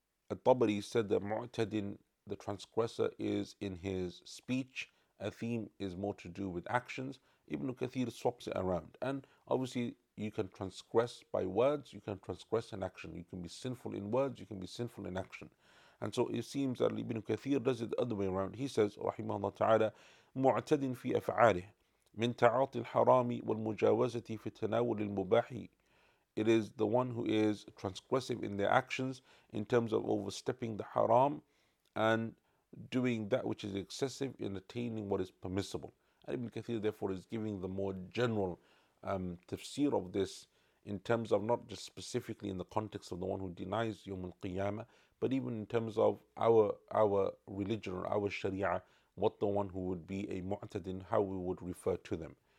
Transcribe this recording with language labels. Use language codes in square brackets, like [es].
[en] Al-Tabari said that Mu'tadin, the transgressor, is in his speech. A theme is more to do with actions. Ibn Kathir swaps it around. And obviously, you can transgress by words, you can transgress in action. You can be sinful in words, you can be sinful in action. And so it seems that Ibn Kathir does it the other way around. He says, [ar] rahimahullah ta'ala, مُعْتَدٍ فِي أَفْعَالِهِ مِنْ تَعَاطِ الْحَرَامِ وَالْمُجَاوَزَةِ فِي تَنَاوُلِ الْمُبَاحِ. [en] It is the one who is transgressive in their actions in terms of overstepping the haram and doing that which is excessive in attaining what is permissible. And Ibn Kathir therefore is giving the more general tafsir of this in terms of not just specifically in the context of the one who denies Yawm al-Qiyamah, but even in terms of our religion or our sharia, what the one who would be a mu'tadin, how we would refer to them.